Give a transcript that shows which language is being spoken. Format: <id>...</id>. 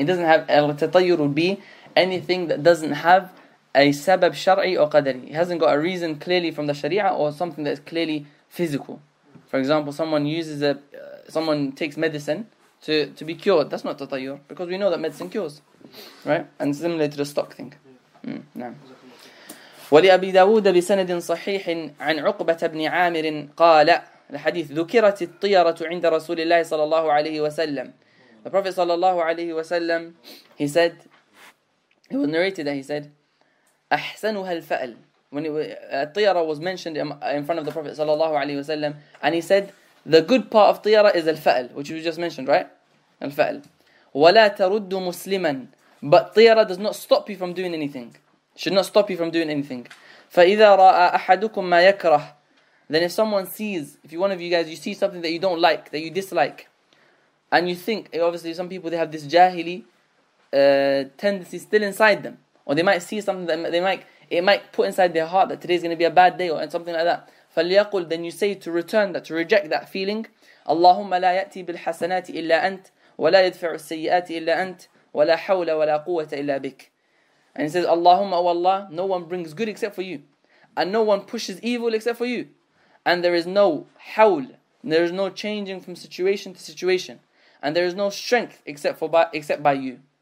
<en>It doesn't have al-tayyur would be anything that doesn't have a sabab shar'i or qadri. It hasn't got a reason clearly from the sharia or something that is clearly physical. For example, someone takes medicine to be cured. That's not tatayur, because we know that medicine cures, right? And similar to the stock thing.</en> <ar>ولي أبي داود بسند صحيح عن عقبة بن عامر قال الحديث ذكرت الطيرة عند رسول الله صلى الله عليه وسلم.</ar> <en>The Prophet صلى الله عليه وسلم, he said, it was narrated that he said,</en> <ar>أحسنها الفأل.</ar> <en>When الطيرة was mentioned in front of the Prophet صلى الله عليه وسلم, and he said, the good part of طيرة is الفأل, which we just mentioned, right? الفأل.</en> <ar>ولا ترد مسلما.</ar> <en>But طيرة does not stop you from doing anything. Should not stop you from doing anything.</en> <ar>فإذا رأى أحدكم ما يكره.</ar> <en>Then if someone sees, if you, one of you guys, you see something that you don't like, that you dislike, and you think, obviously some people, they have this jahili tendency still inside them. Or they might see something that they might, it might put inside their heart that today is going to be a bad day or something like that. فليقل, then you say to return that, to reject that feeling.</en> <ar>اللهم لا يأتي بالحسنات إلا أنت ولا يدفع السيئات إلا أنت ولا حول ولا قوة إلا بك.</ar> <en>And he says, اللهم أو الله, no one brings good except for you. And no one pushes evil except for you. And there is no حول, there is no changing from situation to situation. And there is no strength except by you.</en>